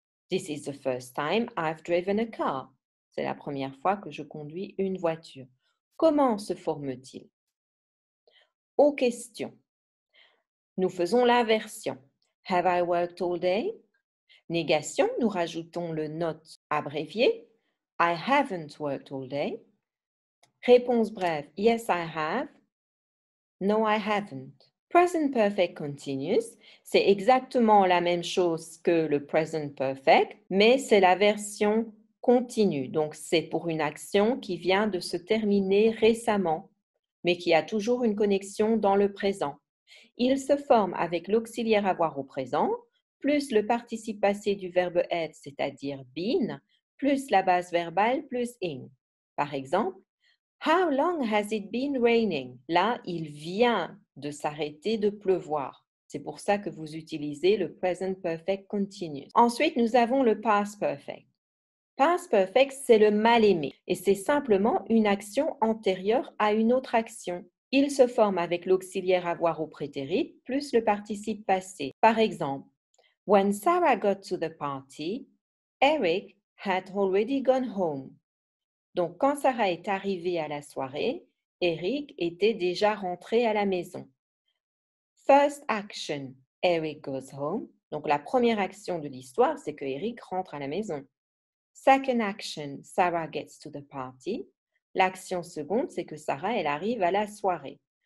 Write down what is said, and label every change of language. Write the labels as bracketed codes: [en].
[en] This is the first time I've driven a car. [fr] C'est la première fois que je conduis une voiture. Comment se forme-t-il? Aux questions. Nous faisons l'inversion. [en] Have I worked all day? [fr] Négation, nous rajoutons le not abrévié. [en] I haven't worked all day. [fr] Réponse brève. [en] Yes, I have. No, I haven't. Present perfect continuous. [fr] C'est exactement la même chose que le present perfect, mais c'est la version continue. Donc, c'est pour une action qui vient de se terminer récemment, mais qui a toujours une connexion dans le présent. Il se forme avec l'auxiliaire avoir au présent, plus le participe passé du verbe être, c'est-à-dire been, plus la base verbale, plus ing. Par exemple, [en] how long has it been raining? [fr] Là, il vient de s'arrêter de pleuvoir. C'est pour ça que vous utilisez le present perfect continuous. Ensuite, nous avons le past perfect. Past perfect, c'est le mal-aimé et c'est simplement une action antérieure à une autre action. Il se forme avec l'auxiliaire avoir au prétérit plus le participe passé. Par exemple, [en] when Sarah got to the party, Eric had already gone home. [fr] Donc, quand Sarah est arrivée à la soirée, Eric était déjà rentré à la maison. [en] First action, Eric goes home. [fr] Donc, la première action de l'histoire, c'est que Eric rentre à la maison. [en] Second action, Sarah gets to the party. [fr] L'action seconde, c'est que Sarah, elle arrive à la soirée.